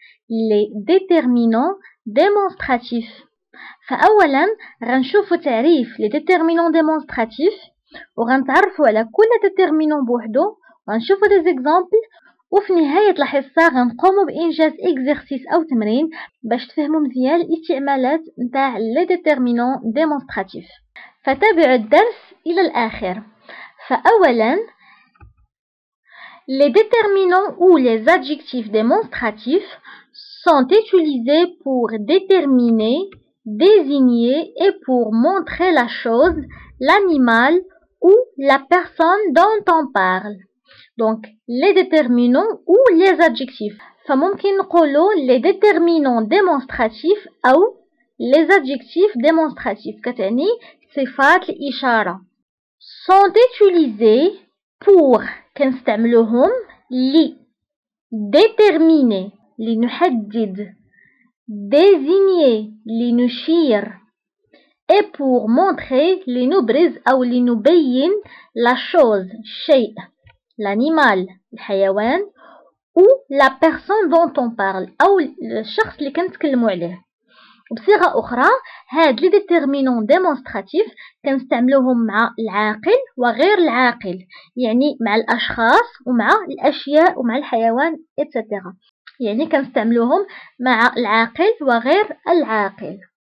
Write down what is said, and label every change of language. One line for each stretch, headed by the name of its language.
Arabic: لي ديتيرمينون ديمونستراتيف، فأولا غنشوفوا تعريف لي ديتيرمينون ديمونستراتيف، وغنتعرفوا على كل ديتيرمينون بوحدو، وغنشوفوا دي زيكزامبل، وفي نهاية الحصة غنقوموا بإنجاز إكزرسيس أو تمرين باش تفهموا مزيان الاستعمالات نتاع لي ديتيرمينون ديمونستراتيف. فتابعوا الدرس إلى الآخر. فأولا لي ديتيرمينون أو لي زادجيكتيف ديمونستراتيف
French: sont utilisés pour déterminer, désigner et pour montrer la chose, l'animal ou la personne dont on parle. Donc, les déterminants ou les adjectifs.
Arabic: فممكن نقولوا
French: les déterminants démonstratifs ou les adjectifs démonstratifs.
Arabic: كتعني صفات الإشارة.
French: Sont utilisés pour,
Arabic: كنستعملوهم,
French: لي déterminer,
Arabic: لي نحدد,
French: désigner,
Arabic: لي نشير,
French: et pour montrer,
Arabic: لي نبرز أو لي نبين,
French: la chose, شيء. L'animal,
Arabic: الحيوان,
French: ou la personne dont on parle, ou le
Arabic: شخص اللي كنتكلموا عليه. بصيغة أخرى, هاد لي ديتيرمينون ديمونستراتيف كنستعملوهم مع العاقل وغير العاقل, يعني مع الأشخاص ومع الأشياء ومع الحيوان etc. يعني كنستعملوهم مع العاقل وغير العاقل.